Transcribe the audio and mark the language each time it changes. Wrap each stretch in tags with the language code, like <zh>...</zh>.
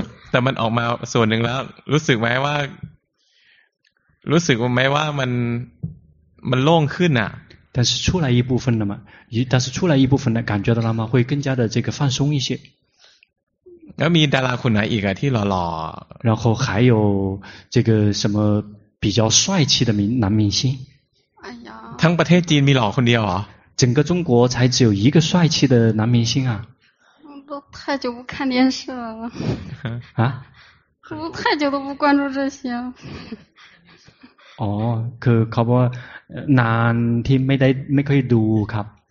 <th>แต่มันออกมาส่วนหนึ่งแล้วรู้สึกไหมว่ารู้สึกไหมว่ามันโล่งขึ้นอ่ะ</th> <zh>但是出来一部分了嘛，但是出来一部分的感觉到了吗？会更加的这个放松一些。</zh> <th>แล้วมีดาราคนไหนอีกอ่ะที่หล่อ</th> <zh>ๆ然后还有这个什么比较帅气的男明星，哎呀，</zh> <th>ทั้งประเทศจีนมีหล่อคนเดียวเหร</th> <zh>อ整个中国才只有一个帅气的男明星啊都太久不看电视了啊都太久都不关注这些了</zh> <th>哦คือเขาบอกนานที่ไม่ได้ไม่เคยดูครับ</th>